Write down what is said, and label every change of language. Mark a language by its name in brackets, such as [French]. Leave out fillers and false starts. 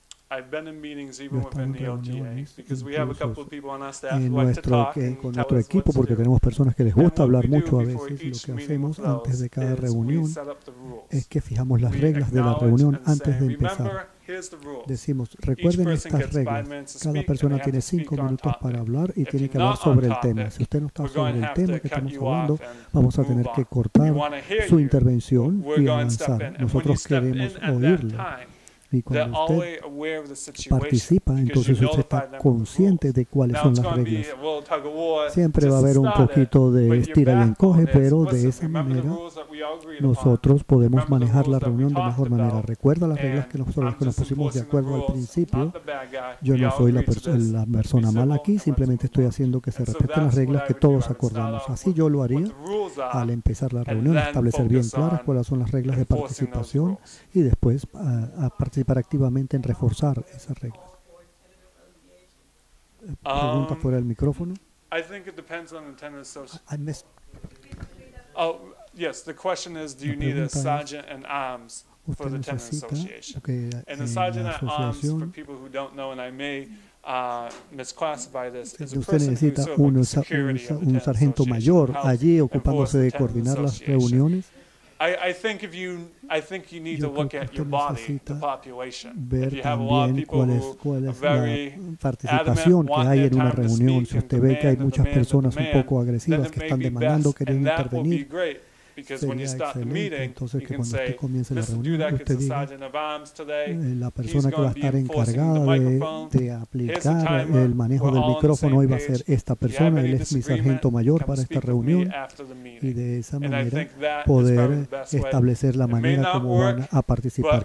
[English] I've been in meetings even within the LGA because we have a couple of people on our staff who like to talk and tell us what to do. [Spanish] Porque tenemos personas que les gusta hablar mucho a veces. Lo que hacemos antes de cada reunión es que fijamos las reglas de la reunión antes de empezar. Decimos, recuerden estas reglas. Cada persona tiene 5 minutos para hablar y tiene que hablar sobre el tema. Si usted no está sobre el tema que estamos hablando, vamos a tener que cortar su intervención y avanzar. Nosotros queremos oírlo. Y cuando usted participa, entonces usted está consciente de cuáles son las reglas. Siempre va a haber un poquito de estira y encoge, pero de esa manera nosotros podemos manejar la reunión de mejor manera. Recuerda las reglas que nosotros nos pusimos de acuerdo al principio. Yo no soy la persona mala aquí, simplemente estoy haciendo que se respeten las reglas que todos acordamos. Así yo lo haría al empezar la reunión, establecer bien claras cuáles son las reglas de participación y después a participar activamente en reforzar esa regla. Pregunta fuera del micrófono. [English] I think it depends on the tenant association. Yes, the question is, do you need a sergeant and arms for the tenant association? And the sergeant and arms, for people who don't know, and I may misclassify this, is a person who's sort of like the security of the tenant association, [Spanish] allí ocupándose de coordinar las reuniones. [English] I think you need to look at your body, the population. If you have a lot of people [Spanish] cuál es [English] who are very [Spanish] participación que hay en una reunión, si usted ve que hay muchas personas un poco agresivas que están demandando, quieren intervenir, sería excelente. Entonces, que cuando usted comience la reunión, usted diga, la persona que va a estar encargada de aplicar el manejo del micrófono hoy va a ser esta persona, él es mi sargento mayor para esta reunión, y de esa manera poder establecer la manera como van a participar.